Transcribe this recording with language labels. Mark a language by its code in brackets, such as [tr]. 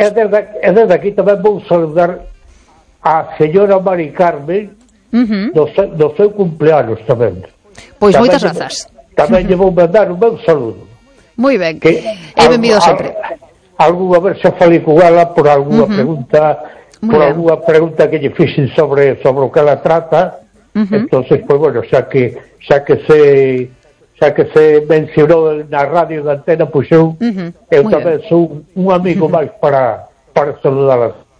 [gl] Desde aquí tamén vou saludar a señora Mari Carmen do seu cumpleaños tamén. Pois moitas grazas. Tamén lle vou mandar un meu saludo. Moi ben, que é benvido sempre. Algúna vez se falei con ela por alguna pregunta que lle fixen sobre o que ela trata. Uh-huh. [es] Entonces, pues bueno, ya que se mencionó en la radio de Antena, pues yo también soy un amigo más para saludarlas.